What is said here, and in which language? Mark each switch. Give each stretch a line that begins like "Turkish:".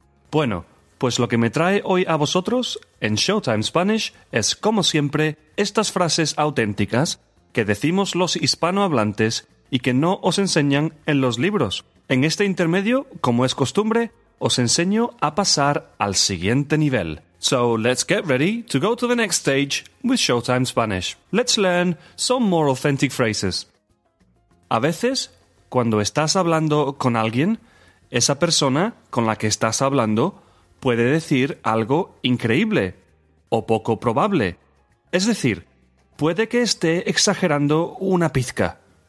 Spanish: Bueno, pues lo que me trae hoy a vosotros en Showtime Spanish es, como siempre, estas frases auténticas que decimos los hispanohablantes y que no os enseñan en los libros. En este intermedio, como es costumbre, os enseño a pasar al siguiente nivel.
English: So, let's get ready to go to the next stage with Showtime Spanish. Let's learn some more authentic phrases.
Spanish: A veces, cuando estás hablando con alguien, esa persona con la que estás hablando puede decir algo increíble o poco probable. Es decir, puede que esté exagerando una pizca.